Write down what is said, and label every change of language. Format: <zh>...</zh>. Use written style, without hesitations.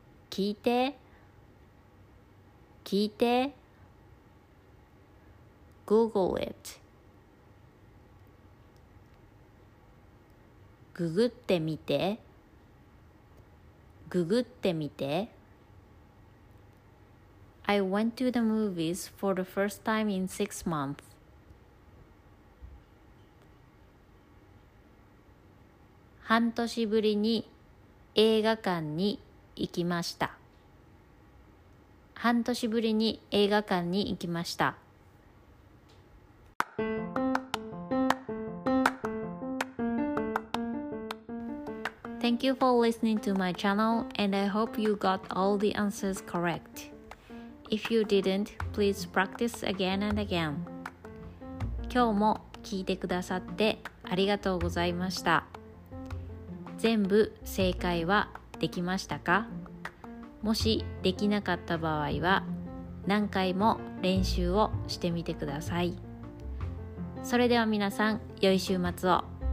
<ja>聞いて、聞いて。</ja> <en>Google it。</en> <ja>ググってみて、ググってみて。</ja> <en>I went to the movies for the first time in 6 months.</en> <ja>半年ぶりに映画館に行きました。半年ぶりに映画館に行きました。</ja> <en>Thank you for listening to my channel, and I hope you got all the answers correct. If you didn't, please practice again and again.</en> <ja>今日も聞いてくださってありがとうございました。全部正解はできましたか？もしできなかった場合は、何回も練習をしてみてください。それでは皆さん、良い週末を。</ja>